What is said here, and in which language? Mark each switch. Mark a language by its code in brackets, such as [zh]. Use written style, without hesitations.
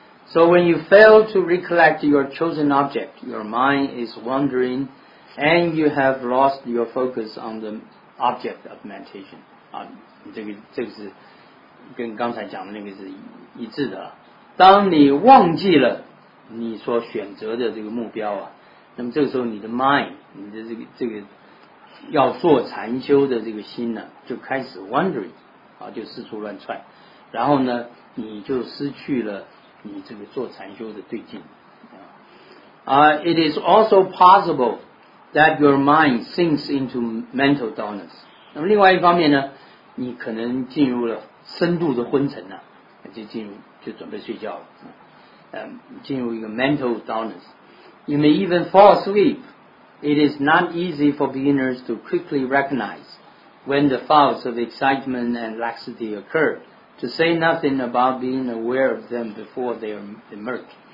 [en] So when you fail to recollect your chosen object, your mind is wandering and you have lost your focus on the object of meditation. [zh] 啊，这个是跟刚才讲的那个是一致的。当你忘记了你所选择的这个目标啊，那么这个时候你的 mind， 你的这个要做禅修的这个心呢、啊、就开始 wandering 啊，就四处乱窜，然后呢你就失去了你这个做禅修的对境啊。 [en] It is also possible that your mind sinks into mental dullness. [zh] 那么另外一方面呢，你可能进入了深度的昏沉了，就准备睡觉了。进入一个 [en] mental dullness. You may even fall asleep. It is not easy for beginners to quickly recognize when the thoughts of excitement and laxity occur, to say nothing about being aware of them before they emerge.